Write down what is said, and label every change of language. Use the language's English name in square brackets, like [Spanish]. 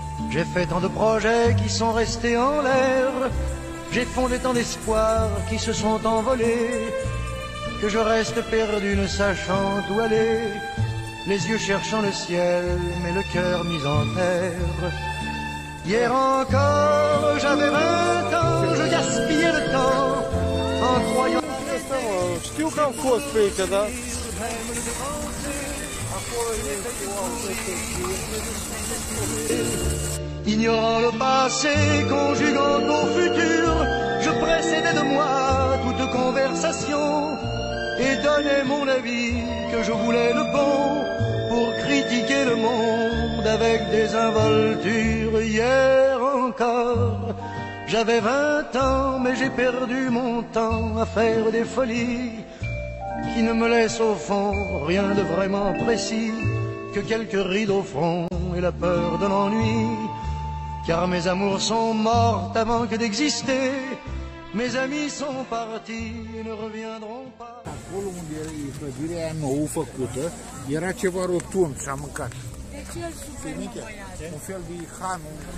[French] J'ai fait tant de projets qui sont restés en l'air, j'ai fondé tant d'espoirs qui se sont envolés, que je reste perdu ne sachant où aller, les yeux cherchant le ciel mais le cœur mis en terre. Hier encore, j'avais 20 ans, je gaspillais le temps en croyant. [Romanian] Știu că am fost pe aici, da? [French] Ignorant le passé, conjuguant au futur, je précédais de moi toute conversation et donnais mon avis que je voulais le bon pour critiquer le monde avec désinvolture. Hier encore, j'avais 20 ans, mais j'ai perdu mon temps à faire des folies qui ne me laissent au fond rien de vraiment précis que quelques rides au front et la peur de l'ennui. Car mes amours sont mortes avant que d'exister, mes amis sont partis et ne reviendront pas. [Romanian] Acolo unde era clădirea aia nou făcută, era ceva rotund, s-a mâncat. De ce îl suferi, băiat? Un fel de hanu.